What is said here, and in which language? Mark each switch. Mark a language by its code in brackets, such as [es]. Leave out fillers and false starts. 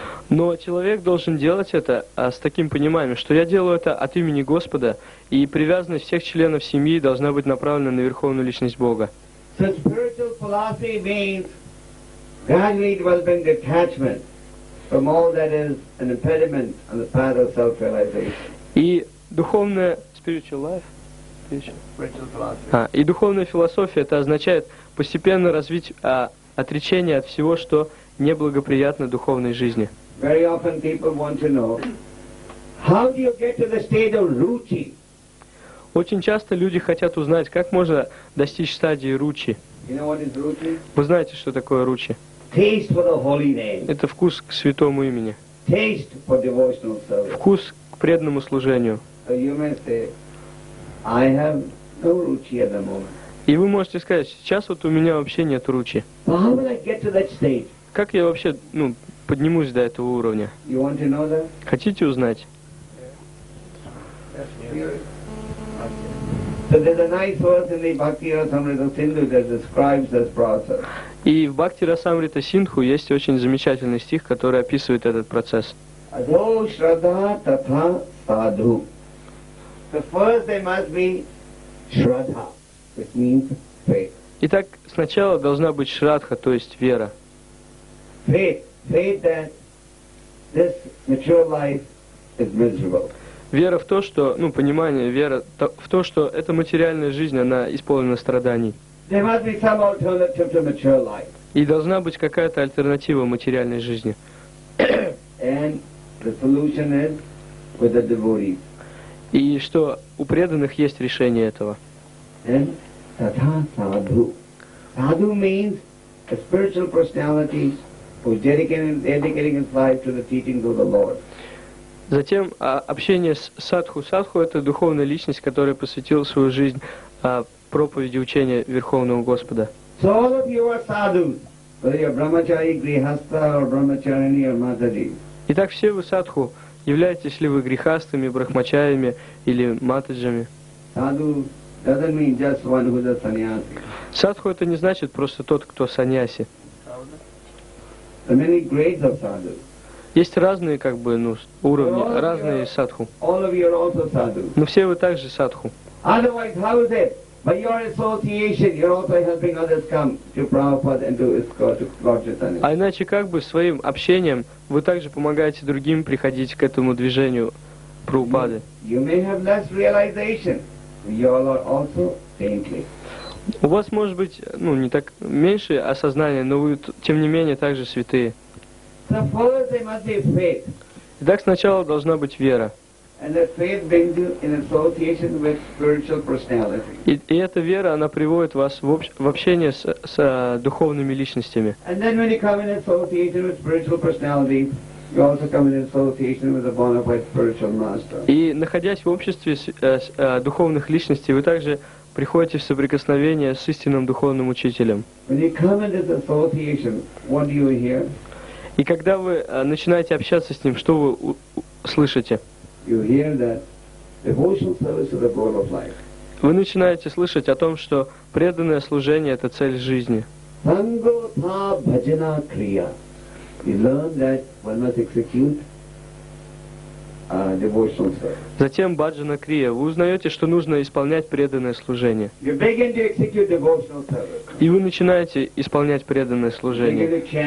[ru] Но человек должен делать это с таким пониманием, что я делаю это от имени Господа, и привязанность всех членов семьи должна быть направлена на Верховную Личность Бога. [en] So spiritual philosophy means gradually developing detachment from all that is an impediment on the path of self-realization. [ru] И духовная философия — это означает постепенно развить отречение от всего, что неблагоприятно духовной жизни. [en] Very often people want to know, how do you get to the state of ruchi? [ru] Очень часто люди хотят узнать, как можно достичь стадии ручи. [en] You know what is ruchi? [ru] Вы знаете, что такое ручи? [en] Taste for the holy name. [ru] Это вкус к святому имени. [en] Taste for devotional service. [ru] Вкус к преданному служению. [en] So you may say, I have no ruchi at the moment. [ru] И вы можете сказать, сейчас вот у меня вообще нет ручи. [en] But how will I get to that state? [ru] Как я вообще поднимусь до этого уровня? [en] You want to know that? [ru] Хотите узнать? [en] So there's a nice verse in the Bhakti Rasamrita Sindhu that describes this process. [ru] И в Бхакти Расамрита Синдху есть очень замечательный стих, который описывает этот процесс. [sa] Adho shraddha tatha sadhu. [en] So first there must be shraddha, which means faith. [ru] Итак, сначала должна быть шрадха, то есть вера. [en] Faith that this mature life is miserable. [ru] Вера в то, что, понимание, вера в то, что эта материальная жизнь, она исполнена страданий. [en] There must be some alternative to mature life. [ru] И должна быть какая-то альтернатива материальной жизни. [en] And the solution is with the devotees. [ru] И что у преданных есть решение этого. [en] And tatha sadhu. Sadhu means a spiritual personality who's dedicating his life to the teachings of the Lord. [ru] Затем общение с садху. Садху — это духовная личность, которая посвятила свою жизнь проповеди учения Верховного Господа. [en] So all of you are sadhus, whether you're brahmachari, grihastha, or brahmacharini, or mataji. [ru] Итак, все вы садху. Являетесь ли вы грихастами, брахмачарями или матаджами? [en] Sadhu doesn't mean just one who's a sannyasi. [ru] Садху — это не значит просто тот, кто саньяси. [en] There are many grades of sadhus. [ru] Есть разные уровни, разные садху. [en] All of you are also sadhu. [ru] Но все вы также садху. [en] Otherwise, how is it? By your association, you're also helping others come to Prabhupada and to escort to Lord Chaitanya. [ru] А иначе как бы своим общением вы также помогаете другим приходить к этому движению Прабхупады? [en] You may have less realization, but you all are also saintly. [ru] У вас может быть не так меньше осознания, но вы тем не менее также святые. [en] So first there must be faith. [ru] Итак, сначала должна быть вера. [en] And that faith brings you in association with spiritual personality. [ru] И эта вера, она приводит вас в общение с духовными личностями. [en] And then when you come in association with spiritual personality, you also come in association with a bona fide spiritual master. [ru] И находясь в обществе духовных личностей, вы также приходите в соприкосновение с истинным духовным учителем. [en] When you come in this association, what do you hear? [ru] И когда вы начинаете общаться с ним, что вы слышите? [en] You hear that devotional service is the goal of life. [ru] Вы начинаете слышать о том, что преданное служение — это цель жизни. [sa] Sangotha bhajana kriya. [en] You learn that one must execute devotional service. [ru] Затем bhajana kriya. Вы узнаете, что нужно исполнять преданное служение. [en] You begin to execute devotional service. [ru] И вы начинаете исполнять преданное служение.